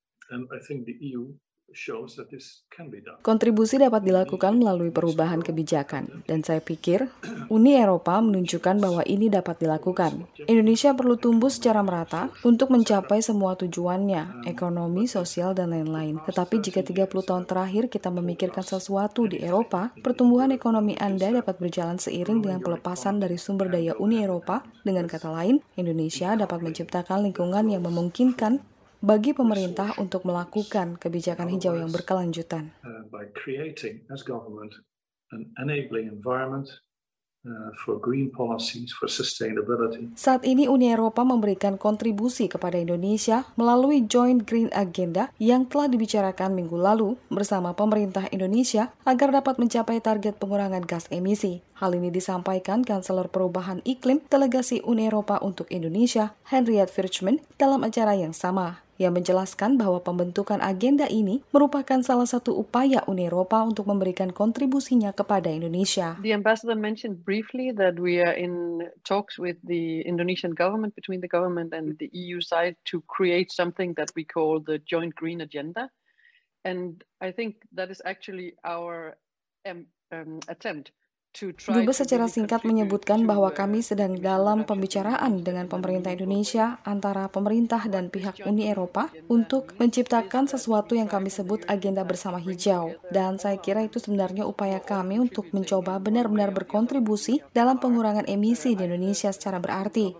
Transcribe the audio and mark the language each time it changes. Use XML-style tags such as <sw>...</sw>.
<en>And I think the EU shows that this can be done.</en> <id>Kontribusi dapat dilakukan melalui perubahan kebijakan, dan saya pikir Uni Eropa menunjukkan bahwa ini dapat dilakukan. Indonesia perlu tumbuh secara merata untuk mencapai semua tujuannya, ekonomi, sosial, dan lain-lain. Tetapi jika 30 tahun terakhir kita memikirkan sesuatu di Eropa, pertumbuhan ekonomi Anda dapat berjalan seiring dengan pelepasan dari sumber daya Uni Eropa. Dengan kata lain, Indonesia dapat menciptakan lingkungan yang memungkinkan bagi pemerintah untuk melakukan kebijakan hijau yang berkelanjutan.</id> <en>By creating as government an enabling environment for green policies, for sustainability.</en> <id>Saat ini Uni Eropa memberikan kontribusi kepada Indonesia melalui Joint Green Agenda yang telah dibicarakan minggu lalu bersama pemerintah Indonesia agar dapat mencapai target pengurangan gas emisi. Hal ini disampaikan Kanselor Perubahan Iklim Delegasi Uni Eropa untuk Indonesia, Henriette Virchmann, dalam acara yang sama. Ia menjelaskan bahwa pembentukan agenda ini merupakan salah satu upaya Uni Eropa untuk memberikan kontribusinya kepada Indonesia.</id> <en>The ambassador mentioned briefly that we are in talks with the Indonesian government, between the government and the EU side, to create something that we call the Joint Green Agenda. And I think that is actually our attempt</en> <id>Dubes secara singkat menyebutkan bahwa kami sedang dalam pembicaraan dengan pemerintah Indonesia antara pemerintah dan pihak Uni Eropa untuk menciptakan sesuatu yang kami sebut agenda bersama hijau. Dan saya kira itu sebenarnya upaya kami untuk mencoba benar-benar berkontribusi dalam pengurangan emisi di Indonesia secara berarti.</id>